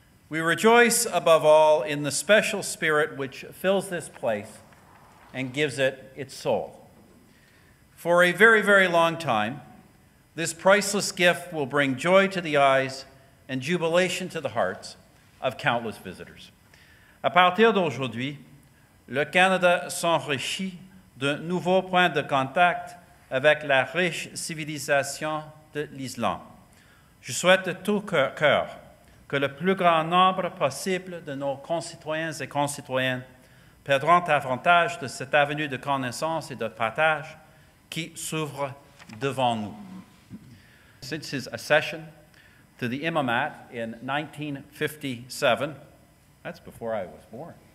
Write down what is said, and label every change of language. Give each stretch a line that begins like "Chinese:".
English: We rejoice above all in the special spirit which fills this place and gives it its soul. For a very, very long time, this priceless gift will bring joy to the eyes and jubilation to the hearts of countless visitors.
French: À partir d'aujourd'hui, le Canada s'enrichit d'un nouveau point de contact avec la riche civilisation de l'Islande. Je souhaite de tout cœur que le plus grand nombre possible de nos concitoyens et concitoyennes perdront avantage de cette avenue de connaissance et de partage qui s'ouvre devant nous.
English: Since his accession to the imamate in 1957, that's before I was born.